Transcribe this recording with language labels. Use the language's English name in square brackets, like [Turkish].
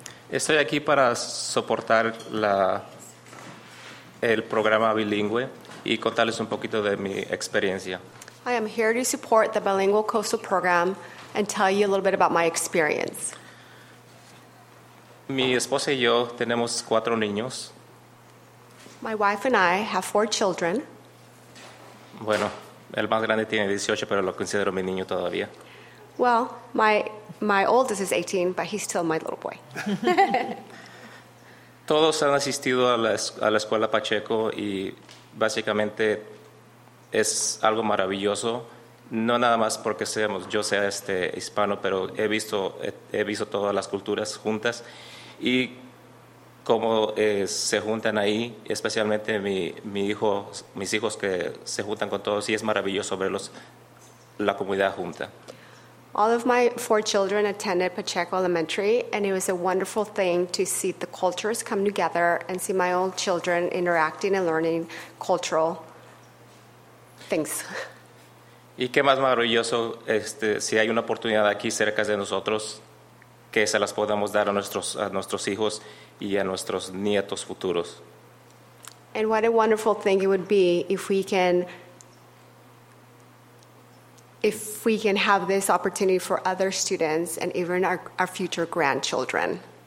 [Spanish] Estoy aquí para soportar el programa bilingüe y contarles un poquito de mi experiencia. [English] I am here to support the bilingual coastal program and tell you a little bit about my experience. [Spanish] Mi esposa y yo tenemos cuatro niños. [English] My wife and I have four children. [Spanish] Bueno, el más grande tiene 18, pero lo considero mi niño todavía. [English] Well, my oldest is 18, but he's still my little boy. [Spanish] Todos han asistido a la escuela Pacheco y básicamente es algo maravilloso, no nada más porque seamos yo sea hispano, pero he visto todas las culturas juntas y cómo se juntan ahí, especialmente mis hijos que se juntan con todos, y es maravilloso verlos la comunidad junta. [English] All of my four children attended Pacheco Elementary, and it was a wonderful thing to see the cultures come together and see my own children interacting and learning cultural things. [Spanish] ¿Y qué más maravilloso si hay una oportunidad aquí cerca de nosotros que se las podamos dar a nuestros hijos y a nuestros nietos futuros? [English] And what a wonderful thing it would be if we can have this opportunity for other students and even our future grandchildren.